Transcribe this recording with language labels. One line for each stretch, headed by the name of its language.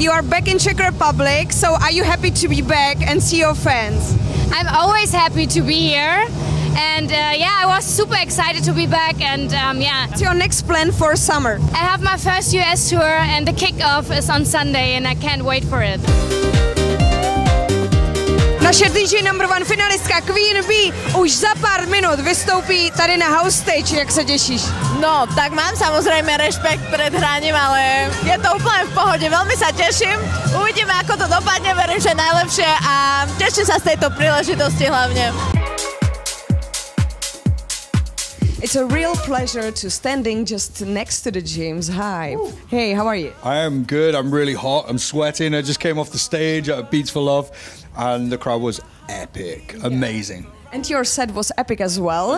English: You are back in Czech Republic, so are you happy to be back and see your fans? I'm always happy to be here. And yeah, I was super excited to be back and yeah. What's your next plan for summer? I have my first US tour and the kickoff is on Sunday and I can't wait for it.
Czech: Naše DJ number one finalistka Queen B už za pár minut vystoupí tady na house stage, jak se těšíš? No, tak mám samozřejmě respekt před hraním, ale je to úplně v pohodě, velmi se těším. Uvidíme, jak to dopadne, věřím, že nejlepší a těším se z této příležitosti hlavně.
English: It's a real pleasure to standing just next to the James Hype. Ooh. Hey, how are you? I am good. I'm really hot. I'm sweating. I just came off the stage at Beats for Love and the crowd was epic. Yeah. Amazing. And your set was epic as well.